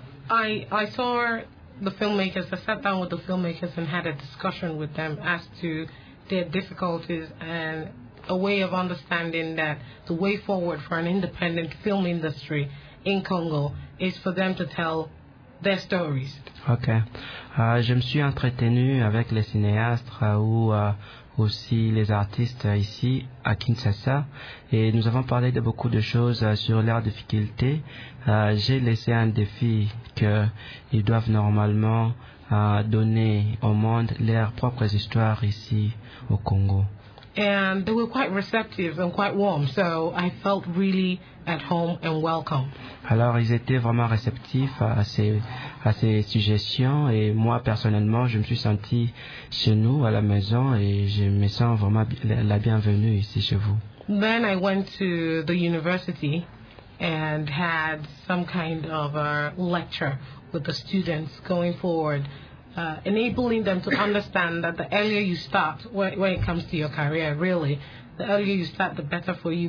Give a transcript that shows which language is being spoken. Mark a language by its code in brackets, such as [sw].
[en] I saw the filmmakers, I sat down with the filmmakers and had a discussion with them as to their difficulties and a way of understanding that the way forward for an independent film industry in Congo is for them to tell their stories. Okay. [fr] Je me suis entretenu avec les cinéastes ou aussi les artistes ici à Kinshasa et nous avons parlé de beaucoup de choses sur leurs difficultés. J'ai laissé un défi qu'ils doivent normalement donner au monde leurs propres histoires ici au Congo. [en] And they were quite receptive and quite warm, so I felt really at home and welcome. [fr] Alors, ils étaient vraiment réceptifs à ces suggestions, et moi personnellement, je me suis senti chez nous, à la maison, et je me sens vraiment la bienvenue ici chez vous. [en] Then I went to the university and had some kind of a lecture with the students going forward. Enabling them to understand that the earlier you start, when it comes to your career, really, the earlier you start, the better for you.